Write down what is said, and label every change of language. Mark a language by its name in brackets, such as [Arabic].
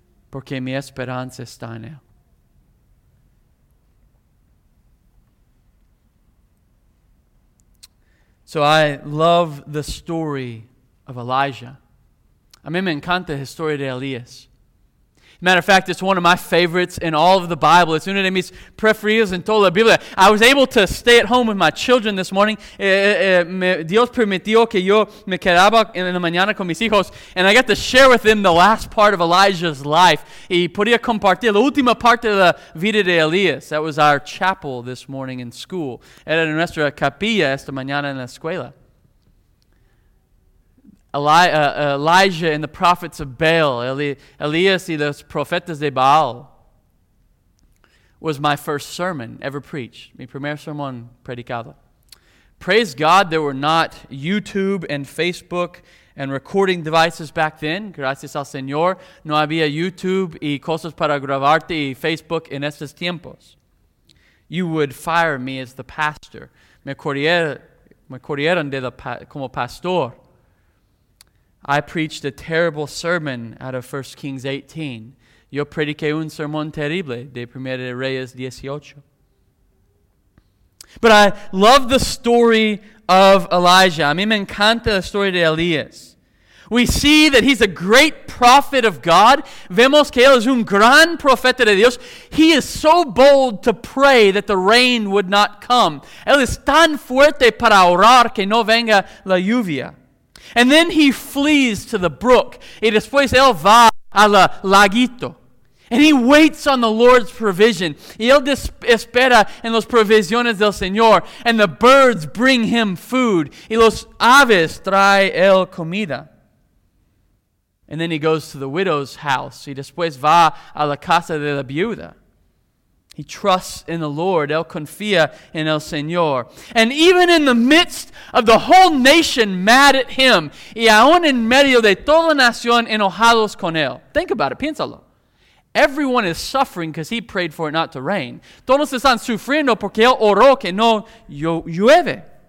[Spanish] Porque mi esperanza está en él. [English] So I love the story of Elijah. [Spanish] A mí me encanta la historia de Elías. [English] Matter of fact, it's one of my favorites in all of the Bible. It's [Spanish] una de mis preferidas en toda la Biblia. [English] I was able to stay at home with my children this morning. [Spanish] Dios permitió que yo me quedaba en la mañana con mis hijos. [English] And I got to share with them the last part of Elijah's life. [Spanish] Y podía compartir la última parte de la vida de Elías. [English] That was our chapel this morning in school. [Spanish] Era nuestra capilla esta mañana en la escuela. [English] Elijah and the prophets of Baal, [Spanish] Elias y los profetas de Baal, [English] was my first sermon ever preached. [Spanish] Mi primer sermón predicado. [English] Praise God there were not YouTube and Facebook and recording devices back then. [Spanish] Gracias al Señor, no había YouTube y cosas para grabarte y Facebook en estos tiempos. [English] You would fire me as the pastor. [Spanish] Me corrieron como pastor. [English] I preached a terrible sermon out of 1 Kings 18. [Spanish] Yo prediqué un sermón terrible de Primera de Reyes 18. [English] But I love the story of Elijah. [Spanish] A mí me encanta la historia de Elías. [English] We see that he's a great prophet of God. [Spanish] Vemos que él es un gran profeta de Dios. [English] He is so bold to pray that the rain would not come. [Spanish] Él es tan fuerte para orar que no venga la lluvia. [English] And then he flees to the brook. [Spanish] Y después él va al laguito. [English] And he waits on the Lord's provision. [Spanish] Y él espera en las provisiones del Señor. [English] And the birds bring him food. [Spanish] Y los aves trae él comida. [English] And then he goes to the widow's house. [Spanish] Y después va a la casa de la viuda. [English] He trusts in the Lord. [Spanish] Él confía en el Señor. [English] And even in the midst of the whole nation mad at him, [Spanish] y aún en medio de toda la nación enojados con él. [English] Think about it. [Spanish] Piénsalo. [English] Everyone is suffering because he prayed for it not to rain. [Spanish] Todos están sufriendo porque él oró que no llueve.